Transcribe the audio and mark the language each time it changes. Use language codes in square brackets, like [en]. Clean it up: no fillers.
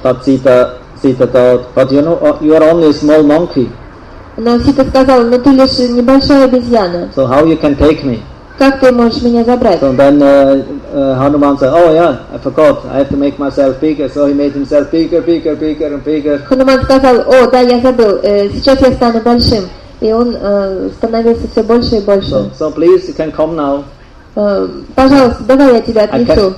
[en] But Sita thought, but you know, you are only a small monkey. [ru] Навсита сказал, но ты лишь небольшая обезьяна. [en] So how you can take me? [ru] Как ты можешь меня забрать? [en] So then Hanuman said, oh yeah, I forgot, I have to make myself bigger. So he made himself bigger, bigger, bigger and bigger. [ru] Хануман сказал, о, да, я забыл, сейчас я стану большим. И он становился все больше и больше. [en] So please, you can come now. [ru] Пожалуйста, давай я тебя отнесу.